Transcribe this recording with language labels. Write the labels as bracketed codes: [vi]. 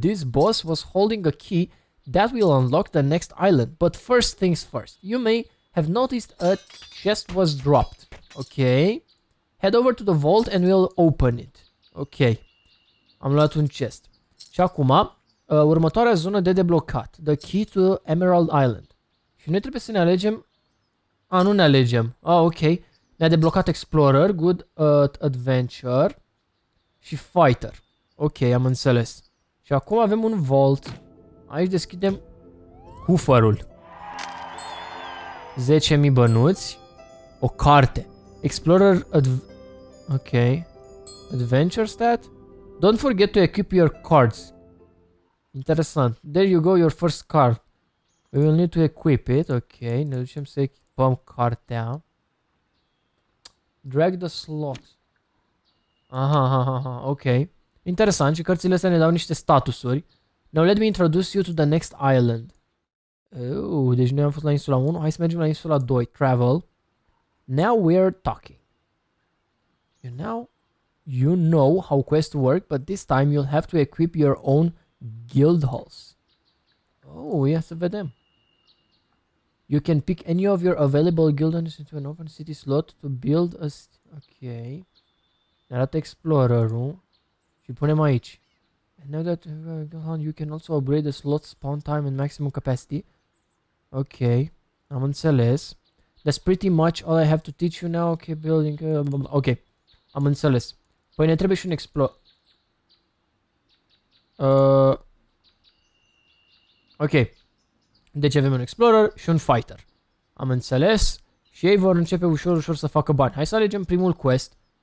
[en] This boss was holding a key that will unlock the next island. But first things first. You may have noticed a chest was dropped. Ok. Head over to the vault and we'll open it. [ro] Ok. Am luat un chest. Și acum, următoarea zonă de deblocat. [en] The key to Emerald Island. [ro] Și noi trebuie să ne alegem. A, nu ne alegem. A, ok. Ne-a deblocat Explorer, Good Adventure și Fighter. Ok, am înțeles. Și acum avem un vault. Aici deschidem cufărul. 10.000 bănuți. O carte. [en] Explorer Ok. Adventure stat. Don't forget to equip your cards. [ro] Interesant. [en] There you go, your first card. We will need to equip it. [ro] Ok, ne ducem să echipăm cartea. [en] Drag the slot. [ro] Aha, ok. Interesant, și cărțile astea ne dau niște statusuri. [en] Now let me introduce you to the next island. [ro] Ooh, deci noi am fost la insula 1, hai să mergem la insula 2. [en] Travel. Now we're talking. You know how quests work, but this time you'll have to equip your own guild halls. [ro] Oh, ia să vedem. [en] You can pick any of your available guildhalls into an open city slot to build a st Ok. [ro] Ne arată explorer-ul. Și punem aici. [en] And now that you can also upgrade the slot spawn time and maximum capacity. Ok. [ro] Am înțeles. [en] That's pretty much all I have to teach you now. Okay, building. Ok. [ro] Am înțeles. Păi ne trebuie și un explorer. Ok. Deci avem un explorer și un fighter. Am înțeles. Și ei vor începe ușor, ușor să facă bani. Hai să alegem primul quest.